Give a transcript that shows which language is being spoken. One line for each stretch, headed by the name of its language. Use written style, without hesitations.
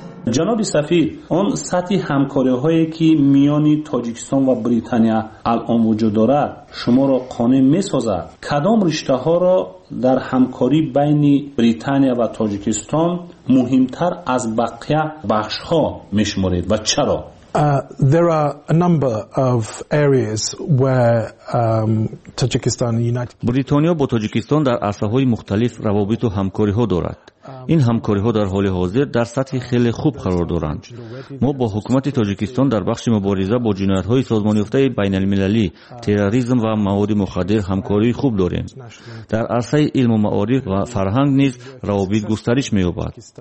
Persian: جناب سفیر، اون سطح همکاری هایی که میان تاجیکستان و بریتانیا الان وجود دارد شما را قانع می‌سازد؟ کدام رشته ها را در همکاری بین بریتانیا و تاجیکستان مهمتر از بقیه بخش ها می‌شمارید و چرا؟
English: There are a number of areas where Tajikistan and United
Tajik: Kingdom. Britaniya ba Tajikistan dar asahoi mukhtalif ravabit o hamkari ho dorad.
Persian: این همکاری ها در حال حاضر در سطح خیلی خوب قرار دارند. ما با حکومت تاجیکستان در بخش مبارزه با جنایت های سازمان یافته بین المللی، تروریسم و مواد مخدر همکاری خوب داریم. در عرصه علم و معارف و فرهنگ نیز روابط گسترش می یابد.